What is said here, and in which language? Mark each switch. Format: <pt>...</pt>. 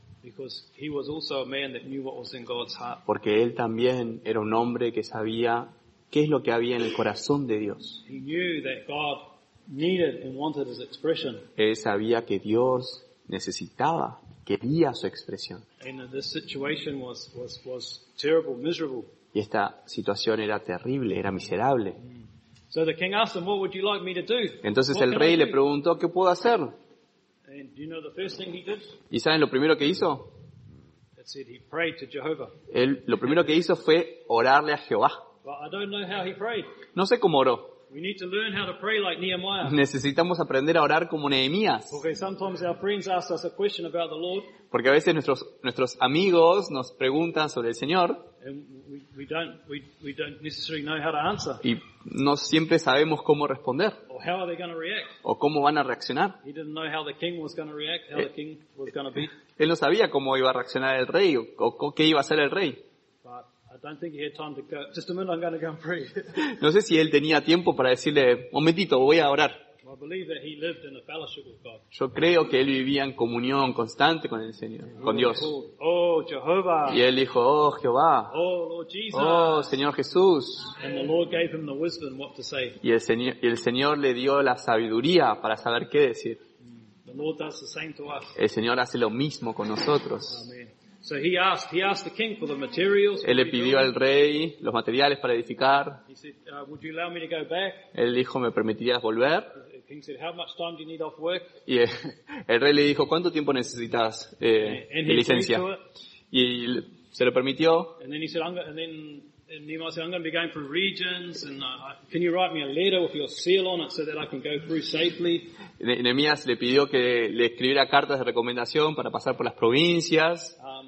<en>Because he was also a man that knew what was in God's heart.</en> <es>Porque él también era un hombre que sabía qué es lo que había en el corazón de Dios.</es> <en>He knew that God needed and wanted his expression.</en> <es>Él sabía que Dios necesitaba, quería su expresión.</es> <en>And this situation was terrible, miserable.</en> <es>Y esta situación era terrible, era miserable.</es> <en>So the king asked him, "What would you like me to do?"</en> <es>Entonces el rey le preguntó, ¿qué puedo hacer?</es> <en>And you know the first thing he did?</en> <es>¿Y saben lo primero que hizo?</es> <en>It said he prayed to Jehovah.</en> <es>Él lo primero que hizo fue orarle a Jehová.</es> <en>But I don't know how he prayed.</en> <es>No sé cómo oró.</es> <en>We need to learn how to pray like Nehemiah.</en> <es>Necesitamos aprender a orar como Nehemías.</es> <en>Okay, sometimes our friends ask us a question about the Lord.</en> <es>Porque a veces nuestros amigos nos preguntan sobre el Señor.</es> <en>we don't necessarily know how to answer.</en> <es>Y no siempre sabemos cómo responder.</es> <en>Or how are they going to react?</en> <es>O cómo van a reaccionar.</es> <en>He didn't know how the king was going to react, how the king was going to be.</en> <es>Él no sabía cómo iba a reaccionar el rey o qué iba a hacer el rey.</es> <en>But I don't think he had time to go. Just a minute, I'm going to go and pray.</en> <es>No sé si él tenía tiempo para decirle, momentito, voy a orar.</es> <en>I believe that he lived in a fellowship with God.</en> <es>Yo creo que él vivía en comunión constante con el Señor, con Dios.</es> <en>Oh, Jehovah.</en> <es>Y él dijo, oh, Jehová.</es> <en>Oh, Lord Jesus.</en> <es>Oh, Señor Jesús.</es> <en>And the Lord gave him the wisdom what to say.</en> <es>Y el Señor le dio la sabiduría para saber qué decir.</es> <en>The Lord does the same to us.</en> <es>El Señor hace lo mismo con nosotros.</es> <en>Amen. So he asked the king for the materials.</en> <es>Él le pidió al rey los materiales para edificar.</es> <en>He said, would you allow me to go back?</en> <es>Él dijo, ¿me permitirías volver?</es> <en>King said, "How much time do you need off work?"</en> <es>Y el rey le dijo, ¿cuánto tiempo necesitas de licencia? Y se lo permitió.</es> <en>And then he said, Nehemiah said, "I'm going to be going through regions, and can you write me a letter with your seal on it so that I can go through safely?"</en> <es>Nehemías le pidió que le escribiera cartas de recomendación para pasar por las provincias.</es>